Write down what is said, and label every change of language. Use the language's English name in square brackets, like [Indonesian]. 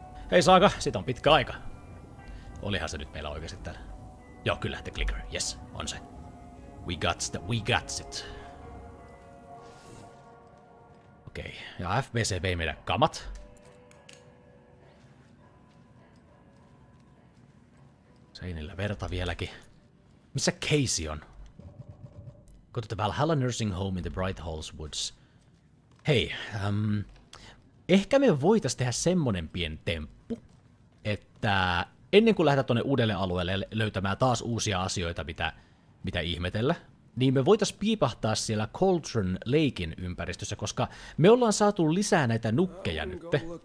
[Finnish] Hei Saaga, siitä on pitkä aika. Olihan se nyt meillä oikeasti täällä. Joo, kyllä, [English] the clicker. Yes, [Finnish] on se. [English] We got it. [Finnish] Okei, ja FBC vei meidän kamat. Seinillä verta vieläkin. Missä Casey on? [English] Go to the Valhalla Nursing Home in the Bright Halls Woods. [Finnish] Hei, ehkä me voitais tehdä semmonen pien temppu, että ennen kuin lähdetään tonne uudelle alueelle löytämään taas uusia asioita, mitä ihmetellä, niin me voitais piipahtaa siellä Cauldron Lakein ympäristössä, koska me ollaan saatu lisää näitä nukkeja nytte.